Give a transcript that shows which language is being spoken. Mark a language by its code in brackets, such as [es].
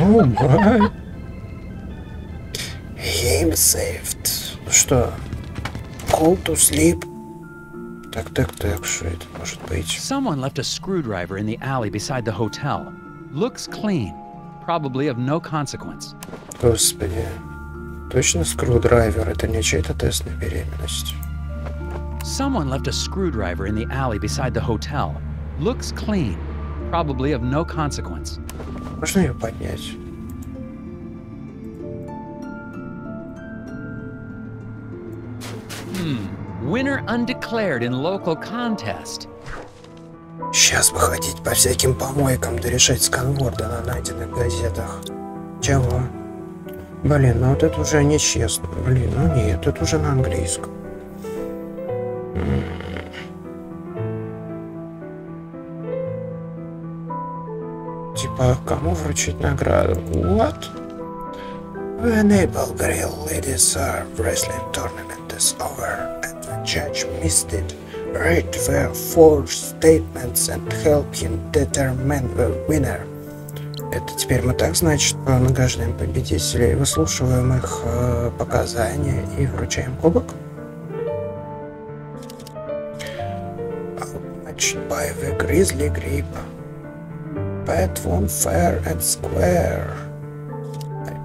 [en] Oh my. Game saved. [ru] Ну что? [en] Call to sleep. [ru] Так, что это может быть? [en] Someone left a screwdriver in the alley beside the hotel. Looks clean. Probably of no consequence. [ru] Господи. Точно скрудрайвер, это не чей-то тест на беременность. [en] Someone left a screwdriver in the alley beside the hotel. Looks clean. Probably of no consequence. [ru] Можно ее поднять? [en] Winner undeclared in local contest. [ru] Сейчас бы ходить по всяким помойкам, да решать сканворды на найденных газетах. Чего? Блин, ну вот это уже нечестно. Блин, ну нет, это уже на английском. Типа, кому вручить награду? [en] What? We enable Grill Ladies Wrestling Tournament is over, and the judge missed it. Read the four statements and help him determine the winner. [ru] Это теперь мы так, значит, награждаем победителей, выслушиваем их показания и вручаем кубок. [en] By the grizzly grip, bet one fair and square. I